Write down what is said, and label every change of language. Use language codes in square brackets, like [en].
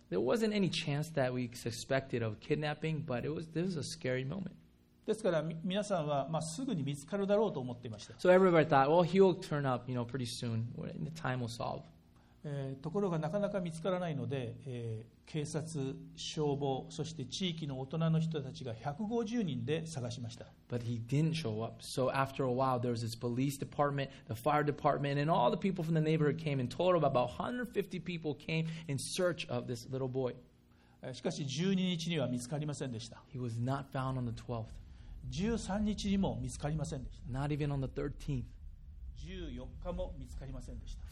[en] There wasn't any chance that we suspected of kidnapping, but it was a scary moment. [ja] ですから皆さんはすぐに見つかるだろうと思っていました。 [en] So everybody thought, well, he will turn up, you know, pretty soon. The time will solve. [ja] ところがなかなか見つからないので、警察、消防、そして地域の大人の人たちが150人で探しました。 [en] But he didn't show up. So after a while, there was this police department, the fire department, and all the people from the neighborhood came in total. About 150 people came in search of this little boy. [ja] しかし12日には見つかりませんでした。 [en] He was not found on the 12th. [ja] 13日にも見つかりませんでした。 [en] Not even on the 13th. [ja] 14日も見つかりませんでした。